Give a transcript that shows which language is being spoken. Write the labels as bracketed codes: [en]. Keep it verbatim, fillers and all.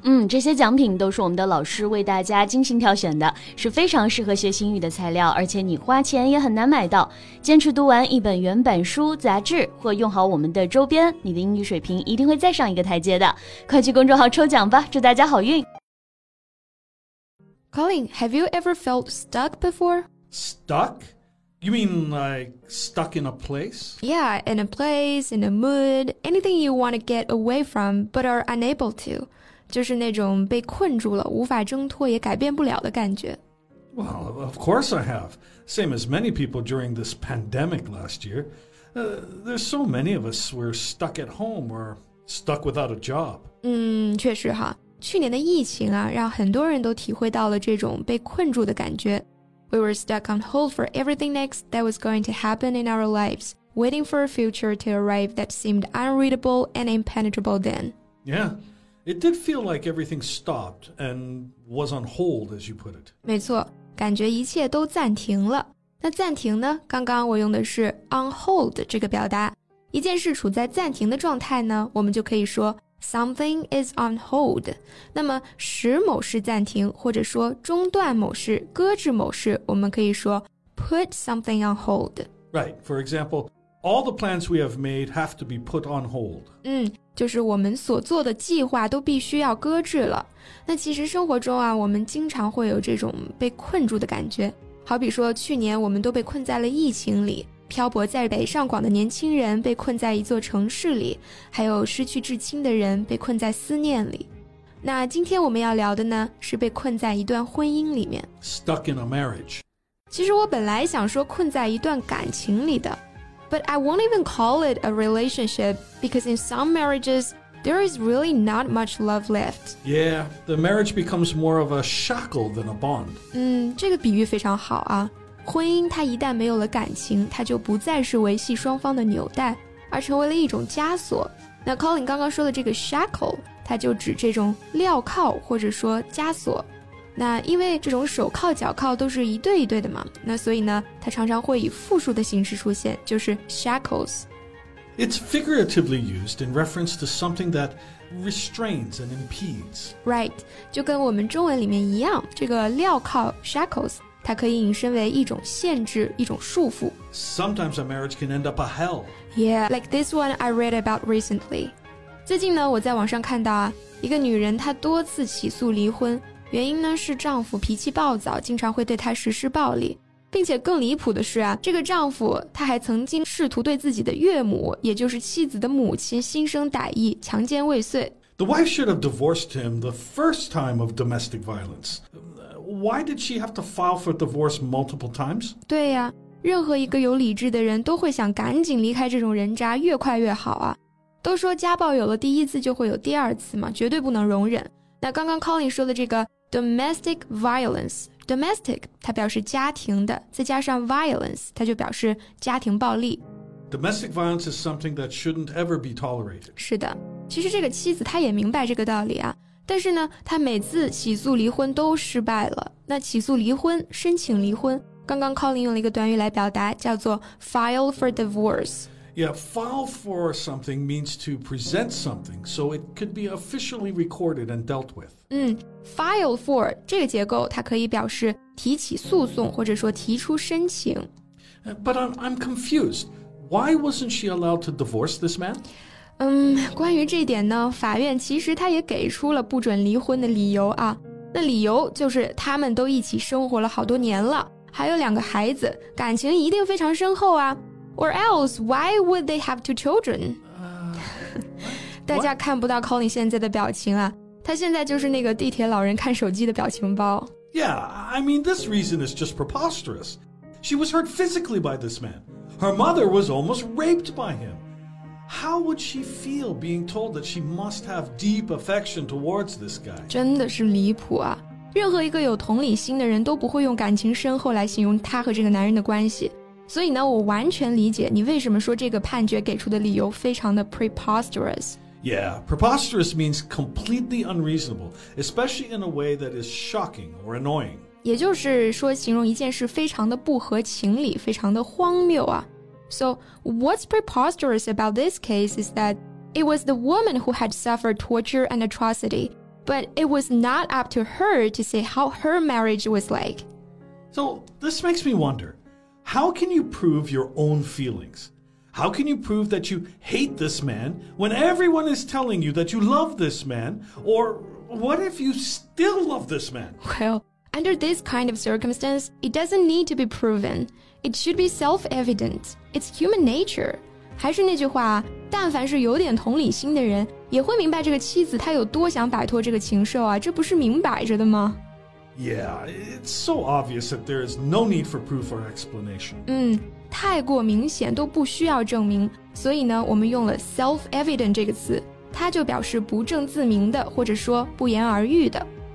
[zh] 嗯，这些奖品都是我们的老师为大家精心挑选的，是非常适合学习英语的材料，而且你花钱也很难买到。坚持读完一本原版书、杂志或用好我们的周边，你的英语水平一定会再上一个台阶的。快去公众号抽奖吧，祝大家好运。 [en] Colin, have you ever felt stuck before? Stuck? You mean like stuck in a place? Yeah, in a place, in a mood, anything you want to get away from but are unable to. [zh] 就是那种被困住了，无法挣脱也改变不了的感觉。 [en] Well, of course I have. Same as many people during this pandemic last year. Uh, there's so many of us who are stuck at home or stuck without a job. [zh] 嗯，确实哈。去年的疫情啊，让很多人都体会到了这种被困住的感觉。 [en] We were stuck on hold for everything next that was going to happen in our lives, waiting for a future to arrive that seemed unreadable and impenetrable then. Yeah, it did feel like everything stopped and was on hold, as you put it. [zh] 没错，感觉一切都暂停了。那暂停呢？刚刚我用的是 on hold 这个表达。一件事处在暂停的状态呢，我们就可以说 [en] Something is on hold. [zh] 那么使某事暂停，或者说中断某事、搁置某事，我们可以说 [en] put something on hold. Right. For example, all the plans we have made have to be put on hold. [zh] 嗯，就是我们所做的计划都必须要搁置了。那其实生活中啊，我们经常会有这种被困住的感觉。好比说，去年我们都被困在了疫情里。漂泊在北上广的年轻人被困在一座城市里，还有失去至亲的人被困在思念里。那今天我们要聊的呢，是被困在一段婚姻里面。 [en] Stuck in a marriage. [zh] 其实我本来想说困在一段感情里的 [en] ，but I won't even call it a relationship because in some marriages there is really not much love left. Yeah, the marriage becomes more of a shackle than a bond. [zh] 嗯，这个比喻非常好啊。婚姻它一旦没有了感情，它就不再是维系双方的纽带，而成为了一种枷锁。那 Colin 刚刚说的这个 shackle， 它就指这种镣铐或者说枷锁。那因为这种手铐脚铐都是一对一对的嘛，那所以呢，它常常会以复数的形式出现，就是 shackles。 [en] It's figuratively used in reference to something that restrains and impedes. [zh] Right， 就跟我们中文里面一样，这个镣铐 shackles。它可以引申为一种限制，一种束缚。 [en] Sometimes a marriage can end up a hell. Yeah, like this one I read about recently. [zh] 最近呢，我在网上看到啊，一个女人她多次起诉离婚，原因呢是丈夫脾气暴躁，经常会对她实施暴力，并且更离谱的是啊，这个丈夫他还曾经试图对自己的岳母，也就是妻子的母亲心生歹意，强奸未遂。 [en] The wife should have divorced him the first time of domestic violence. Why did she have to file for divorce multiple times? [zh] 对呀、啊、任何一个有理智的人都会想赶紧离开这种人渣，越快越好啊。都说家暴有了第一次就会有第二次嘛，绝对不能容忍。那刚刚 Colin 说的这个 domestic violence, domestic 它表示家庭的，再加上 violence 它就表示家庭暴力。 [en] Domestic violence is something that shouldn't ever be tolerated. [zh] 是的，其实这个妻子她也明白这个道理啊。但是呢，他每次起诉离婚都失败了。那起诉离婚，申请离婚，刚刚 Colin 用了一个短语来表达，叫做 [en] file for divorce。 Yeah, file for something means to present something, so it could be officially recorded and dealt with. [zh] 嗯 ，file for 这个结构，它可以表示提起诉讼，或者说提出申请。 [en] But I'm I'm confused. Why wasn't she allowed to divorce this man? [zh] 嗯，关于这一点呢，法院其实他也给出了不准离婚的理由啊。那理由就是他们都一起生活了好多年了，还有两个孩子，感情一定非常深厚啊。 [en] Or else, why would they have two children? [zh] Uh, 大家看不到 Colin 现在的表情啊，他现在就是那个地铁老人看手机的表情包。 [en] Yeah, I mean, this reason is just preposterous. She was hurt physically by this man. Her mother was almost raped by him. How would she feel being told that she must have deep affection towards this guy? [zh] 真的是离谱啊！任何一个有同理心的人都不会用感情深厚来形容他和这个男人的关系。所以呢，我完全理解你为什么说这个判决给出的理由非常的 preposterous。 [en] Yeah, preposterous means completely unreasonable, especially in a way that is shocking or annoying. [zh] 也就是说形容一件事非常的不合情理，非常的荒谬啊。 [en] So, what's preposterous about this case is that it was the woman who had suffered torture and atrocity, but it was not up to her to say how her marriage was like. So, this makes me wonder, how can you prove your own feelings? How can you prove that you hate this man when everyone is telling you that you love this man? Or what if you still love this man? Well, under this kind of circumstance, it doesn't need to be proven. It should be self-evident. It's human nature. [zh] 还是那句话，但凡是有点同理心的人，也会明白这个妻子她有多想摆脱这个禽兽啊，这不是明摆着的吗？ [en] Yeah, it's so obvious that there is no need for proof or explanation. [zh] 嗯，太过明显都不需要证明，所以呢，我们用了 self-evident 这个词，它就表示不证自明的，或者说不言而喻的。